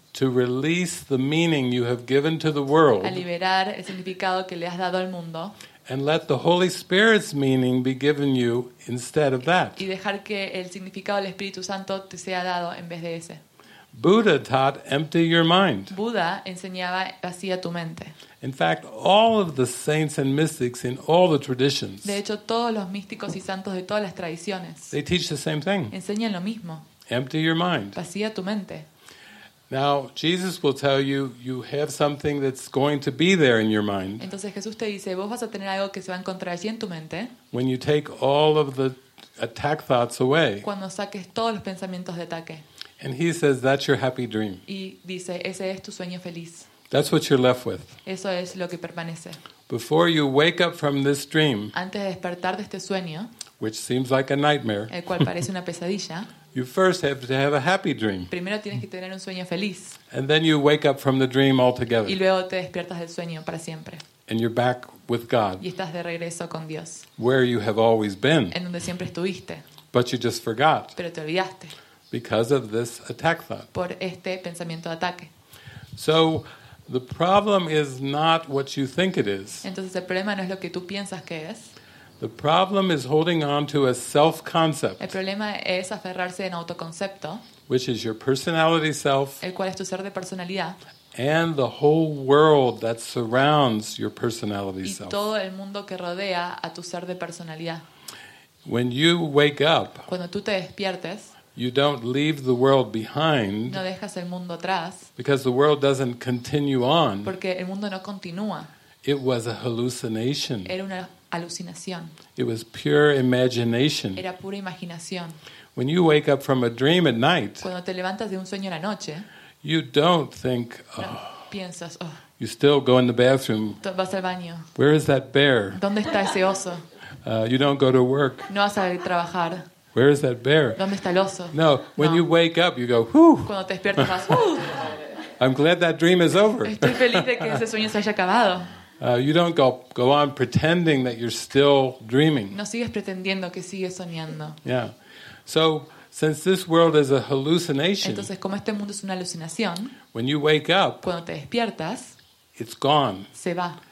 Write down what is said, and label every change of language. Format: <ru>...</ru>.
<en>To release the meaning you have given to the world.</en> <es>A liberar el significado que le has dado al mundo.</es> <en>And let the Holy Spirit's meaning be given you instead of that.</en> <es>Y dejar que el significado del Espíritu Santo te sea dado en vez de ese.</es> <en>Buddha taught empty your mind.</en> <es>Buda enseñaba vacía tu mente.</es> <en>In fact, all of the saints and mystics in all the traditions.</en> <es>De hecho, todos los místicos y santos de todas las tradiciones.</es> <en>They teach the same thing.</en> <es>Enseñan lo mismo.</es> <en>Empty your mind.</en> <es>Vacía tu mente.</es> <en>Now, Jesus will tell you you have something that's going to be there in your mind.</en> <es>Entonces Jesús te dice, vos vas a tener algo que se va a encontrar allí en tu mente.</es> <en>When you take all of the attack thoughts away.</en> <es>Cuando saques todos los pensamientos de ataque.</es> <en>And he says, that's your happy dream.</en> <es>Y dice, ese es tu sueño feliz.</es> <en>That's what you're left with.</en> <es>Eso es lo que permanece.</es> <en>Before you wake up from this dream,</en> <es>antes de despertar de este sueño,</es> <en>which seems like a nightmare,</en> <es>el cual parece una pesadilla,</es> <en>you first have to have a happy dream.</en> <es>Primero tienes que tener un sueño feliz.</es> <en>And then you wake up from the dream altogether.</en> <es>Y luego te despiertas del sueño para siempre.</es> <en>And you're back with God.</en> <es>Y estás de regreso con Dios.</es> <en>Where you have always been.</en> <es>En donde siempre estuviste.</es> <en>But you just forgot.</en> <es>Pero te olvidaste.</es> <en>Because of this attack thought.</en> <es>Por este pensamiento de ataque.</es> <en>So the problem is not what you think it is.</en> <es>Entonces el problema no es lo que tú piensas que es.</es> <en>The problem is holding on to a self-concept.</en> <es>El problema es aferrarse en autoconcepto.</es> <en>Which is your personality self.</en> <es>El cual es tu ser de personalidad.</es> <en>And the whole world that surrounds your personality self.</en> <es>Y todo el mundo que rodea a tu ser de personalidad.</es> <en>When you wake up,</en> <es>cuando tú te despiertes,</es> <en>you don't leave the world behind.</en> <es>No dejas el mundo atrás.</es> <en>Because the world doesn't continue on.</en> <es>Porque el mundo no continúa.</es> <en>It was a hallucination.</en> <es>Era una alucinación.</es> <en>It was pure imagination.</en> <es>Era pura imaginación.</es> <en>When you wake up from a dream at night,</en> <es>cuando te levantas de un sueño en la noche,</es> <en>you don't think, oh.</en> <es>Piensas, oh.</es> <en>You still go in the bathroom.</en> <es>Vas al baño.</es> <en>Where is that bear?</en> <es>¿Dónde está ese oso?</es> <en>You don't go to work.</en> <es>No vas a trabajar.</es> <en>Where is that bear?</en> <es>¿Dónde está el oso?</es> <en>No, when no. You wake up, you go, whew.</en> <es>Cuando te despiertas, vas, whew.</es> <en>I'm glad that dream is over.</en> <es>Estoy feliz de que ese sueño se haya acabado.</es> <en>You don't go on pretending that you're still dreaming.</en> <es>No sigues pretendiendo que sigues soñando.</es> <en>Yeah. So, since this world is a hallucination.</en> <es>Entonces, como este mundo es una alucinación.</es> <en>When you wake up.</en> <es>Cuando te despiertas.</es> <en>It's gone.</en> <es>Se va.</es>